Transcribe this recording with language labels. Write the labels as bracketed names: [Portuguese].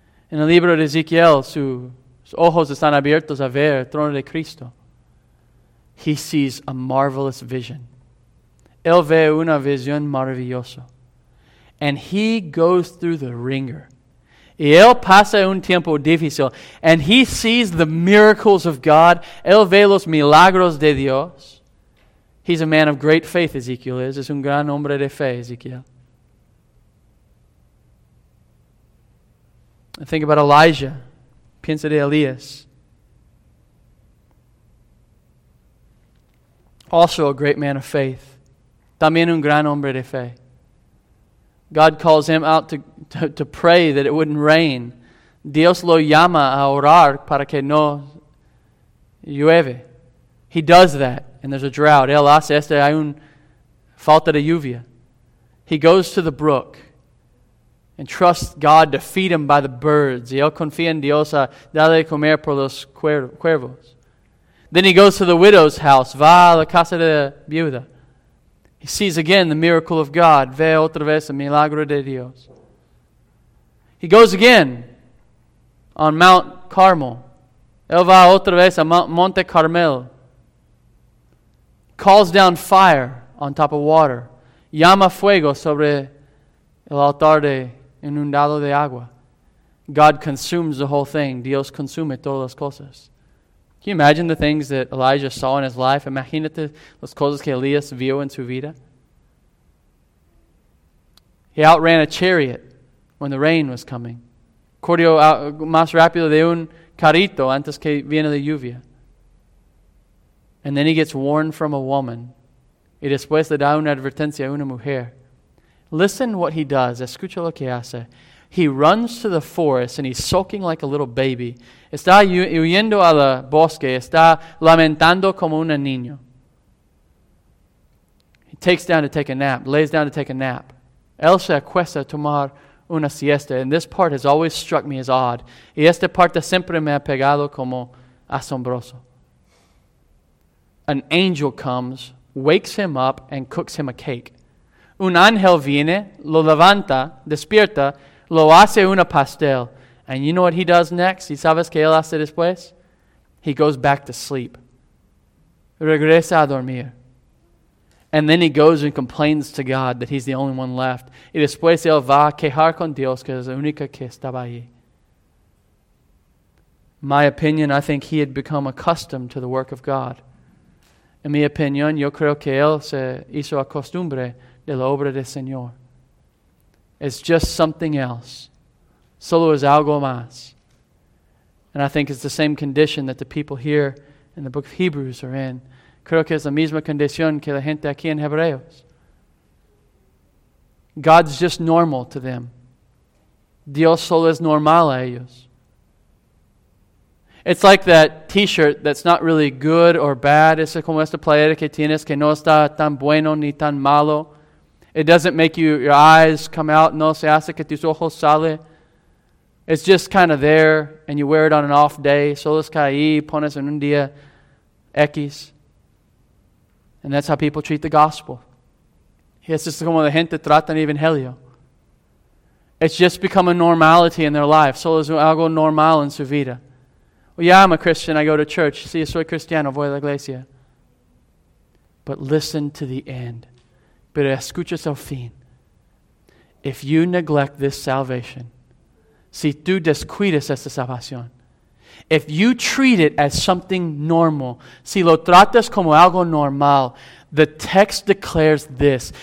[Spanish] En el libro de Ezekiel, sus ojos están abiertos a ver el trono de Cristo. [English] He sees a marvelous vision. [Spanish] Él ve una visión maravillosa. [English] And he goes through the ringer. [Spanish] Y él pasa un tiempo difícil. [English] And he sees the miracles of God. [Spanish] Él ve los milagros de Dios. [English] He's a man of great faith, Ezekiel is. [Spanish] Es un gran hombre de fe, Ezekiel. [English] And think about Elijah. [Spanish] Piensa de Elías. Also a great man of faith. También un gran hombre de fe. [English] God calls him out to pray that it wouldn't rain. [Spanish] Dios lo llama a orar para que no llueve. [English] He does that, and there's a drought. [Spanish] Él hace este, hay un falta de lluvia. [English] He goes to the brook and trusts God to feed him by the birds. [Spanish] Y él confía en Dios a darle comer por los cuervos. [English] Then he goes to the widow's house. [Spanish] Va a la casa de la viuda. [English] He sees again the miracle of God. [Spanish] Ve otra vez el milagro de Dios. [English] He goes again on Mount Carmel. [Spanish] Él va otra vez a Monte Carmel. [English] Calls down fire on top of water. [Spanish] Llama fuego sobre el altar de inundado de agua. [English] God consumes the whole thing. [Spanish] Dios consume todas las cosas. [English] Can you imagine the things that Elijah saw in his life? [Spanish] Imagínate las cosas que Elías vio en su vida. [English] He outran a chariot when the rain was coming. [Spanish] Corrió más rápido de un carrito antes que viene la lluvia. [English] And then he gets warned from a woman. [Spanish] Y después le da una advertencia a una mujer. [English] Listen what he does. [Spanish] Escucha lo que hace. [English] He runs to the forest and he's sulking like a little baby. [Spanish] Está huyendo al bosque. Está lamentando como un niño. [English] He takes down to take a nap. Lays down to take a nap. [Spanish] Él se acuesta a tomar una siesta. [English] And this part has always struck me as odd. [Spanish] Y esta parte siempre me ha pegado como asombroso. [English] An angel comes, wakes him up, and cooks him a cake. [Spanish] Un ángel viene, lo levanta, despierta, lo hace una pastel. [English] And you know what he does next? [Spanish] ¿Y sabes qué él hace después? [English] He goes back to sleep. [Spanish] Regresa a dormir. [English] And then he goes and complains to God that he's the only one left. [Spanish] Y después él va a quejar con Dios que es la única que estaba allí. [English] My opinion, I think he had become accustomed to the work of God. [Spanish] En mi opinión, yo creo que él se hizo acostumbre de la obra del Señor. [English] It's just something else. [Spanish] Solo es algo más. [English] And I think it's the same condition that the people here in the book of Hebrews are in. [Spanish] Creo que es la misma condición que la gente aquí en Hebreos. [English] God's just normal to them. Dios solo es normal a ellos. It's like that t-shirt that's not really good or bad. [Spanish] Es como esta playera que tienes que no está tan bueno ni tan malo. [English] It doesn't make you your eyes come out. [Spanish] No se hace que tus ojos salen. [English] It's just kind of there, and you wear it on an off day. [Spanish] Solo es que ahí pones en un día X. And that's how people treat the gospel. Y es just como la gente trata el evangelio. [English] It's just become a normality in their life. [Spanish] Solo es algo normal en su vida. [English] Well, yeah, I'm a Christian. I go to church. [Spanish] Sí, soy cristiano. Voy a la iglesia. [English] But listen to the end. [Spanish] Pero escuchas el fin. [English] If you neglect this salvation, [Spanish] si tú descuidas esta salvación, [English] if you treat it as something normal, [Spanish] si lo tratas como algo normal, [English] the text declares this.